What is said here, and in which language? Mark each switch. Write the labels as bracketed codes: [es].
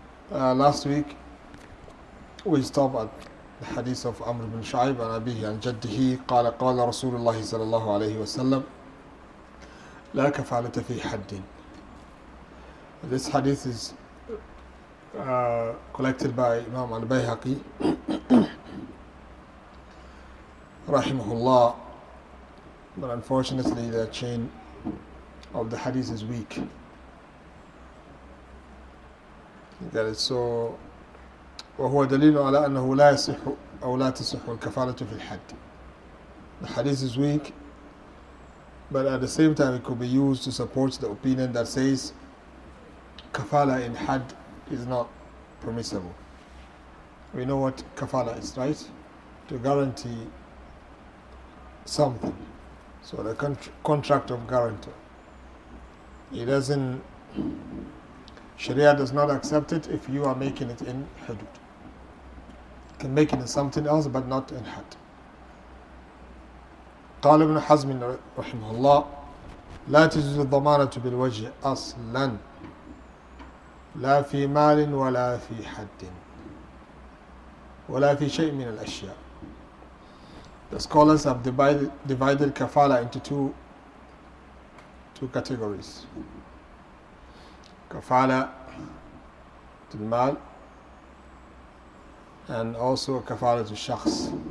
[en] Last week we stopped at the hadith of Amr bin Shu'ayb [ar] عن أبيه عن جده قال قال رسول الله صلى الله عليه وسلم لا كفالة في حد. [en] This hadith is collected by Imam al-Bayhaqi رحمه الله. But unfortunately, the chain of the hadith is weak. That is so. [ar] وهو دليل على أنه لا يصح أو لا تصح الكفالة في الحد. [en] The hadith is weak, but at the same time, it could be used to support the opinion that says kafala in had is not permissible. We know what kafala is, right? To guarantee something. So the contract of guarantor, it doesn't, Sharia does not accept it if you are making it in hudud. You can make it in something else, but not in had. [ar] قال ابن حزم رحمه الله لا تجوز الضمانة بالوجه أصلا لا في مال ولا في حد ولا في شيء من الأشياء. [en] The scholars have divided kafala into two categories. Kafala to the mal and also kafala to shakhs.